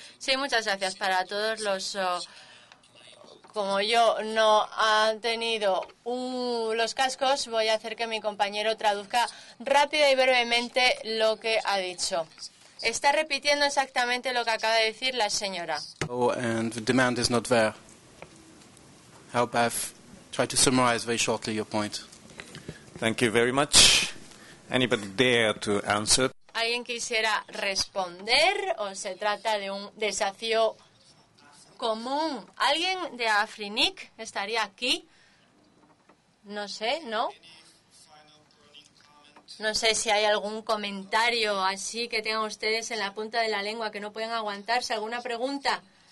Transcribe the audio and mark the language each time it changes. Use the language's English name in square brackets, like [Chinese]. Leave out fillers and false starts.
[Spanish] Sí, muchas gracias para todos los... Como yo no he tenido los cascos, voy a hacer que mi compañero traduzca rápida y brevemente lo que ha dicho. Está repitiendo exactamente lo que acaba de decir la señora. [English] Oh, and the demand is not there. How about try to summarize very shortly your point? Thank you very much. Anybody dare to answer? [Spanish] ¿Alguien quisiera responder o se trata de un desafío común? ¿Alguien de AfriNIC estaría aquí? No sé, ¿no? No sé si hay algún comentario así que tengan ustedes en la punta de la lengua que no pueden aguantarse. ¿Alguna pregunta?